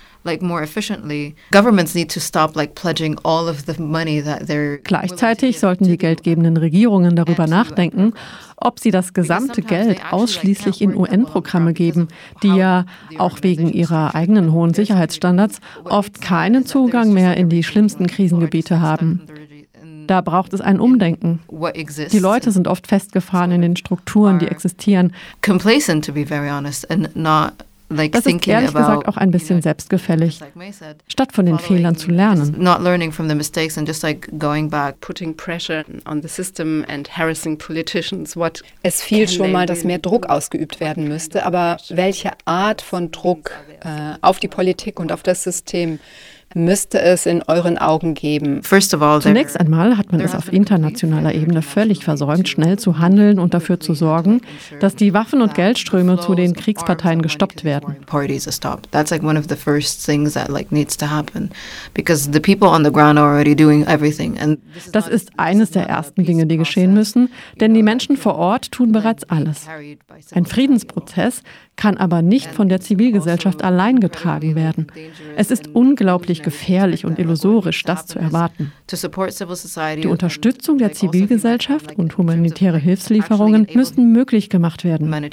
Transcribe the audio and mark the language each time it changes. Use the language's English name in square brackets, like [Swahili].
[German] Gleichzeitig sollten die geldgebenden Regierungen darüber nachdenken, ob sie das gesamte Geld ausschließlich in UN-Programme geben, die ja auch wegen ihrer eigenen hohen Sicherheitsstandards oft keinen Zugang mehr in die schlimmsten Krisengebiete haben. Da braucht es ein Umdenken. Die Leute sind oft festgefahren in den Strukturen, die existieren. [English] Complacent, to be very honest, and not. [German] Das ist ehrlich gesagt auch ein bisschen selbstgefällig, statt von den Fehlern zu lernen. [English] Not learning from the mistakes and just like going back, putting pressure on the system and harassing politicians. What [German] es fiel schon mal, dass mehr Druck ausgeübt werden müsste, aber welche Art von Druck auf die Politik und auf das System müsste es in euren Augen geben? Zunächst einmal hat man es auf internationaler Ebene völlig versäumt, schnell zu handeln und dafür zu sorgen, dass die Waffen- und Geldströme zu den Kriegsparteien gestoppt werden. [English] That's like one of the first things that like needs to happen, because the people on the ground are already doing everything. [German] Das ist eines der ersten Dinge, die geschehen müssen, denn die Menschen vor Ort tun bereits alles. Ein Friedensprozess kann aber nicht von der Zivilgesellschaft allein getragen werden. Es ist unglaublich gefährlich und illusorisch, das zu erwarten. Die Unterstützung der Zivilgesellschaft und humanitäre Hilfslieferungen müssen möglich gemacht werden.